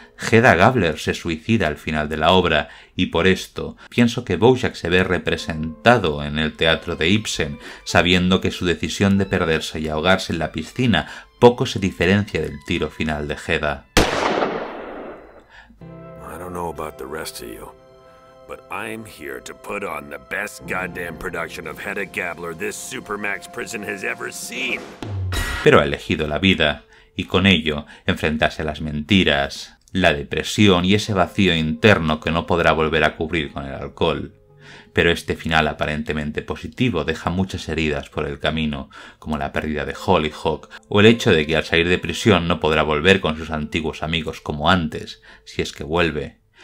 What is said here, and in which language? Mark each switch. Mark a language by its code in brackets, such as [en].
[es] Hedda Gabler se suicida al final de la obra, y por esto, pienso que Bojack se ve representado en el teatro de Ibsen, sabiendo que su decisión de perderse y ahogarse en la piscina poco se diferencia del tiro final de Hedda. [en] I don't know about the rest of you, but I'm here to put on the best goddamn production of Hedda Gabler this Supermax prison has ever seen. [es] Pero ha elegido la vida, y con ello, enfrentarse a las mentiras, la depresión y ese vacío interno que no podrá volver a cubrir con el alcohol. Pero este final aparentemente positivo deja muchas heridas por el camino, como la pérdida de Hollyhock, o el hecho de que al salir de prisión no podrá volver con sus antiguos amigos como antes, si es que vuelve.